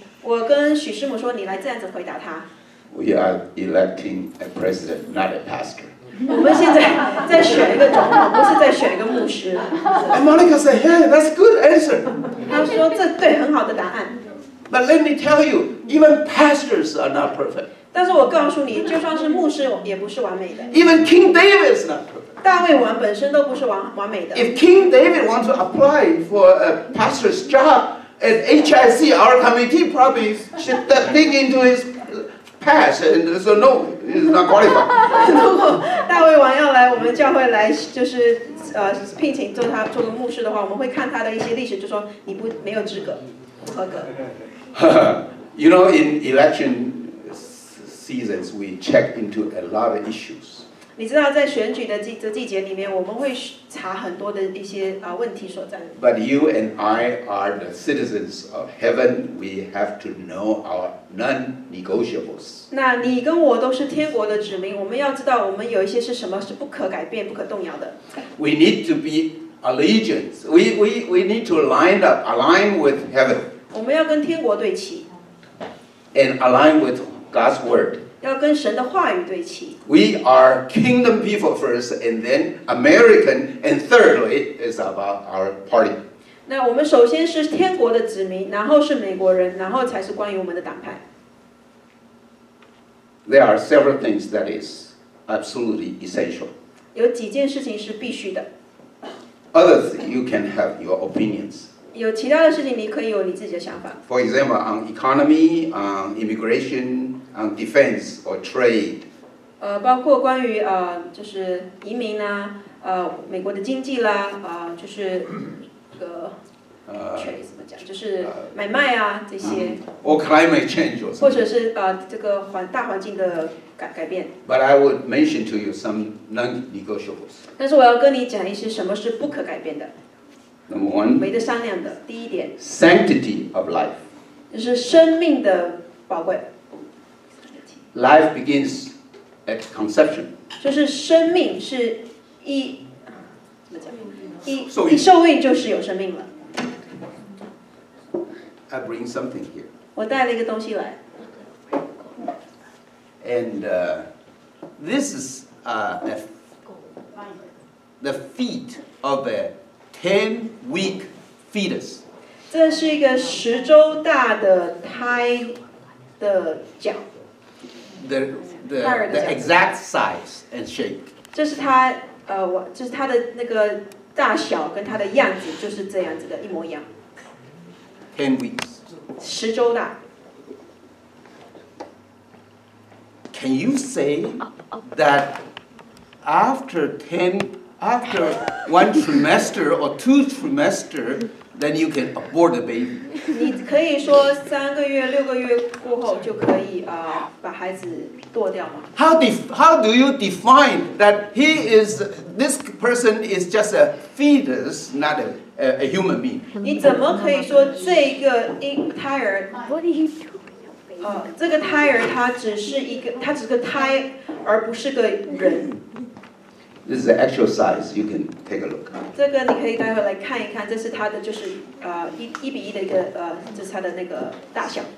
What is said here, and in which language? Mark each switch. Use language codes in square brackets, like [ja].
[zh] 我跟许师母说：“你来这样子回答他。” [en] We are electing a president, not a pastor. [zh] 我们现在在选一个总统，不是在选一个牧师。 [en] And Monica said, "Hey, that's a good answer." [zh] 他说：“这对，很好的答案。” [en] But let me tell you, even pastors are not perfect. [zh] 但是我告诉你，就算是牧师也不是完美的。 [en] Even King David is not perfect. [zh] 大卫王本身都不是完美的。 [en] If King David wants to apply for a pastor's job. And HIC, our committee probably should dig into his past, and so no, he's not qualified. [zh] 如果大卫王要来我们教会来，就是聘请做他做个牧师的话，我们会看他的一些历史，就说你不没有资格，不合格。 [en] You know, in election seasons, we check into a lot of issues. [zh] 你知道在选举的季节里面，我们会查很多的一些问题所在。 [en] But you and I are the citizens of heaven. We have to know our non-negotiables. [zh] 那你跟我都是天国的子民，我们要知道我们有一些是什么是不可改变、不可动摇的。 [en] We need to be allegiance. We need to align with heaven. [zh] 我们要跟天国对齐。 [en] And align with God's word. [zh] 要跟神的话语对齐。 [en] We are kingdom people first, and then American, and thirdly is about our party. [zh] 那我们首先是天国的子民，然后是美国人，然后才是关于我们的党派。 [en] There are several things that is absolutely essential. [zh] 有几件事情是必须的。 [en] Others you can have your opinions. [zh] 有其他的事情，你可以有你自己的想法。 [en] For example, on economy, on immigration, on defense or trade. [zh] 包括关于就是移民啦，美国的经济啦，就是trade 怎么讲，就是买卖啊这些。 [en] Or climate change, or [zh] 或者是这个大环境的改变。 [en] But I would mention to you some non-negotiables. [zh] 但是我要跟你讲一些什么是不可改变的。 [en] Number one, [zh] 没得商量的第一点 [en] sanctity of life, [zh] 就是生命的宝贵。 [en] Life begins at conception, [zh] 就是生命是一怎么讲一受孕就是有生命了。 [en] I bring something here. [zh] 我带了一个东西来。 [en] And this is the feet of a 10-week fetus. [zh] 这是一个十周大的胎的脚。 [en] The exact size and shape. [zh] 这是它就是它的那个大小跟它的样子就是这样子的一模一样。 [en] 10 weeks. [zh] 十周大。 [en] Can you say that after 10, after one trimester or two trimester, then you can abort the baby? [zh] 你可以说三个月、六个月过后就可以把孩子堕掉吗？ [en] How do you define that he is, this person is just a fetus, not a human being? [zh] 你怎么可以说这个胎儿？这个胎儿它只是一个，它只是个胎，而不是个人。 [en] This is the actual size. You can take a look. [zh] 这个你可以待会来看一看，这是它的就是一比一的一个就是它的那个大小。